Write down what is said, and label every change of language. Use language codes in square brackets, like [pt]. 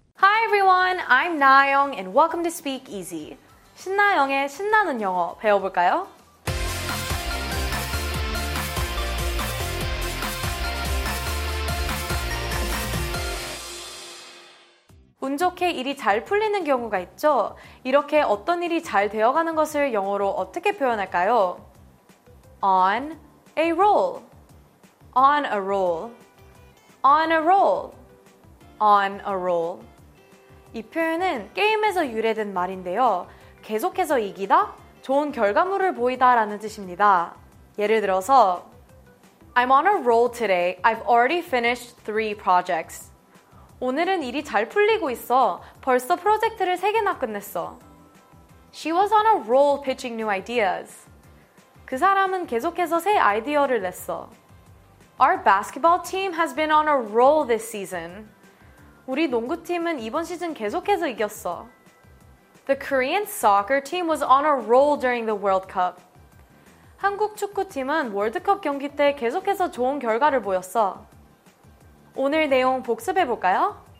[en] Hi everyone, I'm Nayoung and welcome to Speak Easy. [ko] 신나영의 신나는 영어 배워볼까요? 운 좋게 일이 잘 풀리는 경우가 있죠? 이렇게 어떤 일이 잘 되어가는 것을 영어로 어떻게 표현할까요? [en] On a roll. On a roll. On a roll. On a roll. [ko] 이 표현은 게임에서 유래된 말인데요. 계속해서 이기다, 좋은 결과물을 보이다 라는 뜻입니다. 예를 들어서 [en] I'm on a roll today. I've already finished 3 projects. [ko] 오늘은 일이 잘 풀리고 있어. 벌써 프로젝트를 3개나 끝냈어. [en] She was on a roll pitching new ideas. [ko] 그 사람은 계속해서 새 아이디어를 냈어. [en] Our basketball team has been on a roll this season. [ko] 우리 농구팀은 이번 시즌 계속해서 이겼어. [en] The Korean soccer team was on a roll during the World Cup. [ko] 한국 축구팀은 월드컵 경기 때 계속해서 좋은 결과를 보였어. 오늘 내용 복습해볼까요?